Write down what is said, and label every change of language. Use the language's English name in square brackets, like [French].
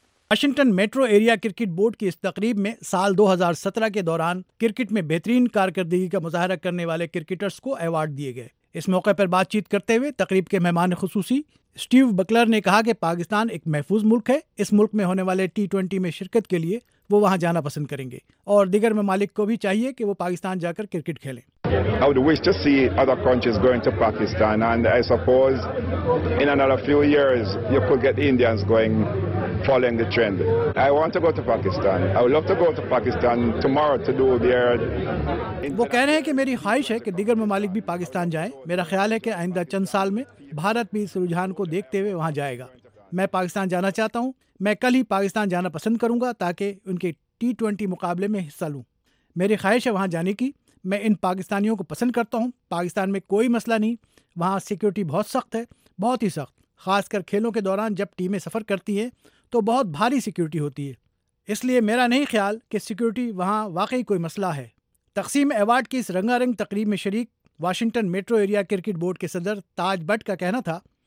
[Urdu] Washington metro area cricket board کی اس تقریب میں سال 2017 کے دوران کرکٹ میں بہترین کارکردگی کا مظاہرہ کرنے والے کرکٹرز کو ایوارڈ دیے گئے۔ اس موقع پر بات چیت کرتے ہوئے تقریب کے مہمان خصوصی اسٹیو بکلر نے کہا کہ پاکستان ایک محفوظ ملک ہے، اس ملک میں ہونے والے T20 میں شرکت کے لیے وہ وہاں جانا پسند کریں گے، اور دیگر ممالک کو بھی چاہیے کہ وہ پاکستان جا کر کرکٹ کھیلیں۔ [English] I would wish to see other countries going to Pakistan, and I suppose in another few years you could get Indians going following the trend. I want to go to Pakistan. I would love to go to Pakistan tomorrow to do their... [Urdu] وہ کہہ رہے ہیں کہ میری خواہش ہے کہ دیگر ممالک بھی پاکستان جائیں۔ میرا خیال ہے کہ آئندہ چند سال میں بھارت بھی اس رجحان کو دیکھتے ہوئے وہاں جائے گا۔ میں پاکستان جانا چاہتا ہوں، میں کل ہی پاکستان جانا پسند کروں گا تاکہ ان کے T20 مقابلے میں حصہ لوں۔ میری خواہش ہے وہاں جانے کی۔ میں ان پاکستانیوں کو پسند کرتا ہوں، پاکستان میں کوئی مسئلہ نہیں۔ وہاں سیکیورٹی بہت سخت ہے، بہت ہی سخت، خاص کر کھیلوں کے دوران جب ٹیمیں سفر کرتی ہیں تو بہت بھاری سیکیورٹی ہوتی ہے، اس لیے میرا نہیں خیال کہ سیکیورٹی وہاں واقعی کوئی مسئلہ ہے۔ تقسیم ایوارڈ کی اس رنگا رنگ تقریب میں شریک Washington metro area cricket board کے صدر تاج بٹ کا کہنا تھا